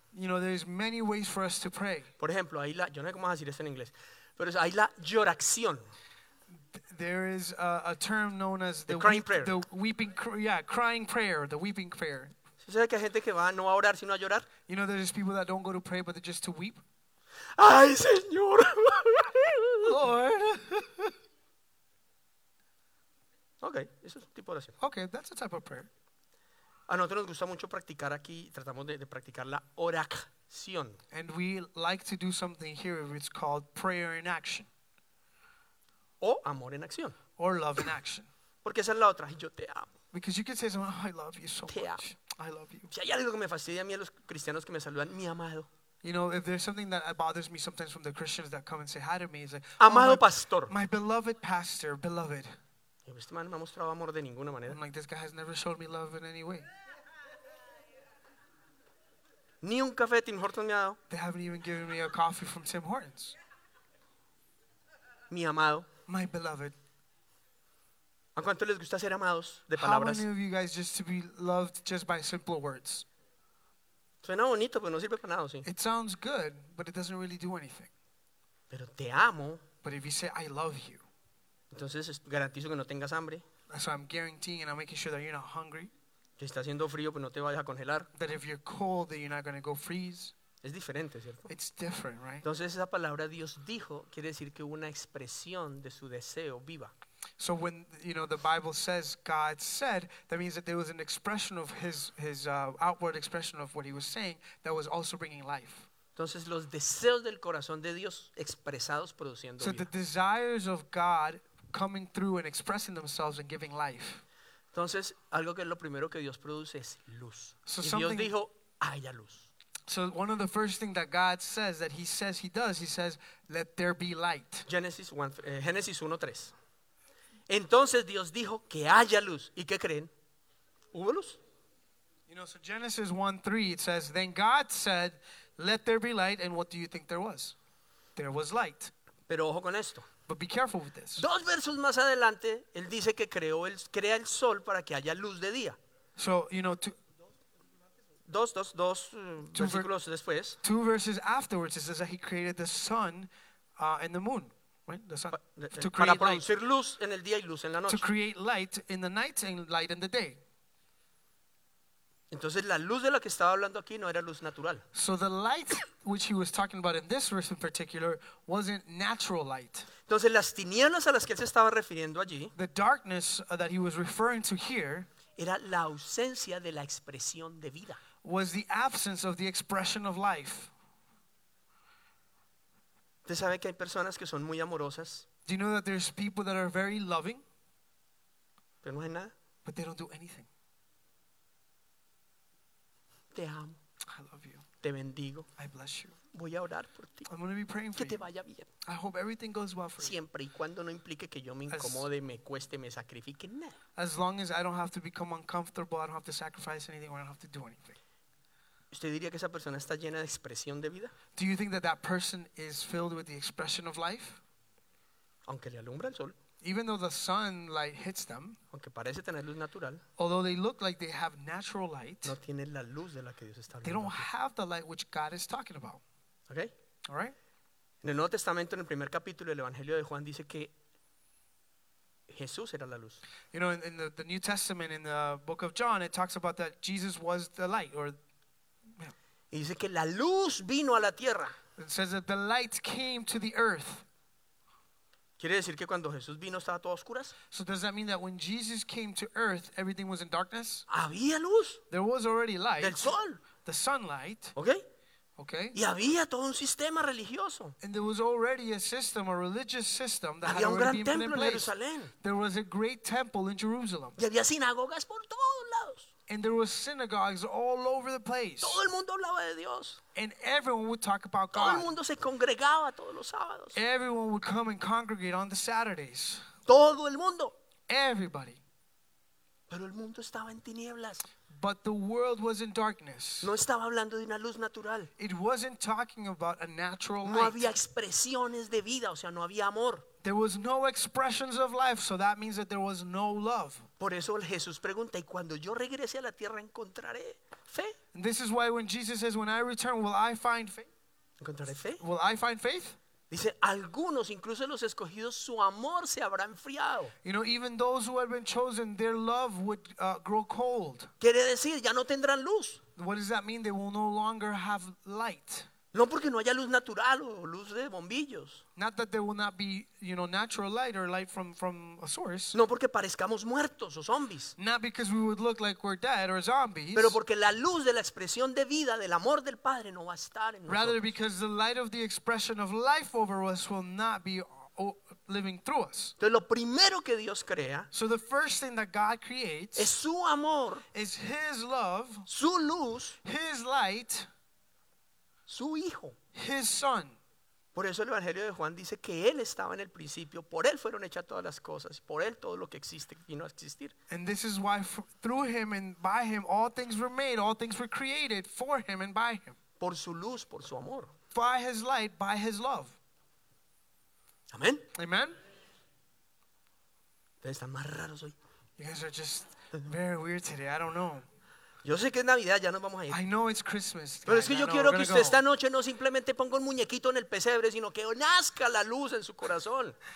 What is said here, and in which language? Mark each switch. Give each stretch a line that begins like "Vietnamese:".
English: You know, there's many ways for us to pray.
Spanish: Por ejemplo, ahí la, yo no sé cómo vas a decir esto en inglés, pero ahí la lloración.
English: There is a term known as the crying prayer. The weeping, yeah, crying prayer, the weeping prayer.
Spanish: ¿Sabes que hay gente que va no a orar sino a llorar?
English: You know, there's people that don't go to pray but they're just to weep.
Spanish: Ay, señor.
English: Lord.
Spanish: Okay, eso es un tipo de oración.
English: Okay, that's a type of prayer.
Spanish: A nosotros nos gusta mucho practicar aquí, tratamos de practicar la oración.
English: And we like to do something here, it's called prayer in action.
Spanish: O amor en acción.
English: Or love in action.
Spanish: Porque esa es la otra, yo te amo.
English: Because you can say someone, oh, I love you so
Spanish: te
English: much.
Spanish: Amo.
English: I love you.
Spanish: Si hay algo que me fastidia a mí, a los cristianos que me saludan, mi amado.
English: You know, if there's something that bothers me sometimes from the Christians that come and say hi to me, it's like,
Spanish: amado, oh,
English: pastor. My beloved pastor, beloved.
Spanish: Este man no me ha mostrado amor de ninguna manera.
English: I'm like, this guy has never showed me love in any way.
Spanish: Ni un café de Tim Hortons me ha dado.
English: They haven't even given me a coffee from Tim Hortons.
Spanish: Mi amado.
English: My beloved.
Spanish: ¿A cuánto les gusta ser amados de palabras?
English: How many of you guys just to be loved just by simple words?
Spanish: Suena bonito, pero no sirve para nada, sí.
English: It sounds good, but it doesn't really do anything.
Spanish: Pero te amo.
English: But if you say, I love you.
Spanish: Entonces garantizo que no tengas hambre.
English: So I'm guaranteeing and I'm making sure that you're not hungry.
Spanish: Que está haciendo frío, pues no te vayas a congelar.
English: That if you're cold, then you're not going to go freeze.
Spanish: Es diferente, ¿cierto?
English: It's different, right?
Spanish: Entonces esa palabra Dios dijo quiere decir que hubo una expresión de su deseo viva.
English: So when, you know, the Bible says God said, that means that there was an expression of his outward expression of what he was saying that was also bringing life.
Spanish: Entonces los deseos del corazón de Dios expresados produciendo vida.
English: So the desires of God coming through and expressing themselves and giving life.
Spanish: Entonces algo que es lo primero que Dios produce es luz. So y Dios dijo, haya luz.
English: So one of the first things that God says, that he says he does, he says, let there be light. Genesis 1:3.
Spanish: Entonces Dios dijo que haya luz. ¿Y qué creen? ¿Hubo luz?
English: You know, so Genesis 1:3, it says, then God said, let there be light, and what do you think there was? There was light.
Spanish: Pero ojo con esto.
English: But be careful with this.
Spanish: Dos versos más adelante, él dice que crea el sol para que haya luz de día.
English: So, you know,
Spanish: Dos versículos después.
English: Two verses afterwards, it says that he created the sun and the moon.
Spanish: Para producir luz en el día y luz en la noche.
English: To create light in the night and light in the day.
Spanish: Entonces la luz de la que estaba hablando aquí no era luz natural.
English: So the light which he was talking about in this verse in particular wasn't natural light.
Spanish: Entonces las tinieblas a las que él se estaba refiriendo allí.
English: The darkness that he was referring to here.
Spanish: Era la ausencia de la expresión de vida.
English: Was the absence of the expression of life.
Spanish: ¿Usted sabe que hay personas que son muy amorosas?
English: Do you know that there's people that are very loving?
Spanish: Pero no hay nada.
English: But they don't do anything.
Spanish: Te amo.
English: I love you.
Spanish: Te bendigo.
English: I bless you.
Spanish: Voy a orar por ti.
English: I'm going to be praying for you.
Spanish: Que te vaya bien.
English: I hope everything goes well for you.
Spanish: Siempre y cuando no implique que yo me incomode, me cueste, me sacrifique, nada.
English: As long as I don't have to become uncomfortable, I don't have to sacrifice anything, or I don't have to do anything.
Spanish: ¿Usted diría que esa persona está llena de expresión de vida?
English: Do you think that that person is filled with the expression of life?
Spanish: Aunque le alumbra el sol.
English: Even though the sunlight hits them.
Spanish: Aunque parece tener luz natural.
English: Although they look like they have natural light.
Spanish: No tiene la luz de la que Dios está hablando.
English: They don't have the light which God is talking about. Okay. All right.
Spanish: En el Nuevo Testamento, en el primer capítulo del Evangelio de Juan, dice que Jesús era la luz.
English: You know, in the New Testament, in the book of John, it talks about that Jesus was the light.
Spanish: Y dice que la luz vino a la tierra.
English: It says that the light came to the earth.
Spanish: ¿Quiere decir que cuando Jesús vino estaba todo a oscuras?
English: So does that mean that when Jesus came to earth, everything was in darkness?
Spanish: Había luz.
English: There was already light.
Spanish: Del sol.
English: The sunlight. Okay. Okay.
Spanish: Y había todo un sistema religioso.
English: And there was already a system, a religious system that had already been put in place.
Spanish: Había un gran templo en Jerusalén.
English: There was a great temple in Jerusalem.
Spanish: Y había sinagogas por todos lados.
English: And there were synagogues all over the place.
Spanish: Todo el mundo hablaba de Dios.
English: And everyone would talk about
Spanish: todo
English: God.
Spanish: El mundo se congregaba todos los sábados.
English: Everyone would come and congregate on the Saturdays.
Spanish: Todo el mundo.
English: Everybody.
Spanish: Pero el mundo estaba en tinieblas.
English: But the world was in darkness.
Spanish: No estaba hablando de una luz natural.
English: It wasn't talking about a natural
Spanish: no
English: light.
Spanish: Había expresiones de vida, o sea, no había amor.
English: There was no expressions of life, so that means that there was no love.
Spanish: Por eso Jesús pregunta, y cuando yo regrese a la tierra encontraré fe.
English: And this is why when Jesus says, when I return, will I find faith?
Spanish: ¿Encontraré fe?
English: Will I find faith?
Spanish: Dice, algunos, incluso los escogidos, su amor se habrá enfriado.
English: You know, even those who had been chosen, their love would grow cold.
Spanish: Quiere decir, ya no tendrán luz.
English: What does that mean? They will no longer have light.
Spanish: No porque no haya luz natural o luz de bombillos.
English: Not that there will not be, you know, natural light or light from a source.
Spanish: No porque parezcamos muertos o zombies.
English: Not because we would look like we're dead or zombies.
Spanish: Pero porque la luz de la expresión de vida del amor del Padre no va a estar en nosotros.
English: Rather because the light of the expression of life over us will not be living through us.
Spanish: Entonces, lo primero que Dios crea,
English: so the first thing that God creates
Spanish: es su amor,
English: is his love,
Spanish: su luz,
English: his light,
Spanish: su hijo,
English: his son.
Spanish: Por eso el Evangelio de Juan dice que él estaba en el principio, por él fueron hechas todas las cosas, por él todo lo que existe vino a existir.
English: And this is why through him and by him all things were made, all things were created for him and by him.
Spanish: Por su luz, por su amor.
English: By his light, by his love.
Spanish: Amén.
English: Amen.
Spanish: Ustedes están más raros hoy.
English: You guys are just very weird today, I don't know.
Spanish: Yo sé que es Navidad, ya nos vamos a ir.
English: I know it's Christmas.
Spanish: Pero es que yo quiero que usted esta noche no simplemente ponga un muñequito en el pesebre, sino que nazca la luz en su corazón.